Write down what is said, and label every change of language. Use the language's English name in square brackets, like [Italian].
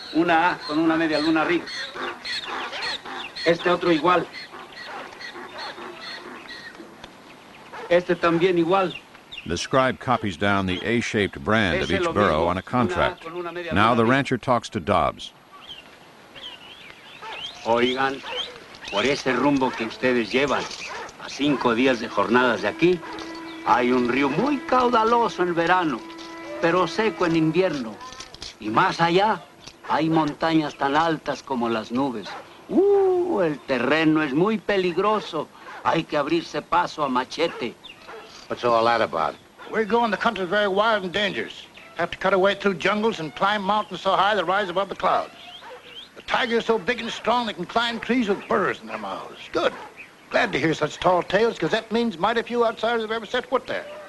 [Spanish] Una A con una media luna arriba. Este otro igual. Este también igual. [English] The scribe copies down the A-shaped brand of each burro on a contract. Now the rancher talks to Dobbs. [Spanish] Oigan, por ese rumbo que ustedes llevan, a 5 días de jornadas de aquí, hay un río muy caudaloso en verano, pero seco en invierno. Y más allá, hay montañas tan altas como las nubes. El terreno es muy peligroso. Hay que abrirse paso a machete. [English] What's all that about? We're going, the country's very wild and dangerous. Have to cut our way through jungles and climb mountains so high they rise above the clouds. The tiger is so big and strong they can climb trees with burrs in their mouths. Good. Glad to hear such tall tales, because that means mighty few outsiders have ever set foot there.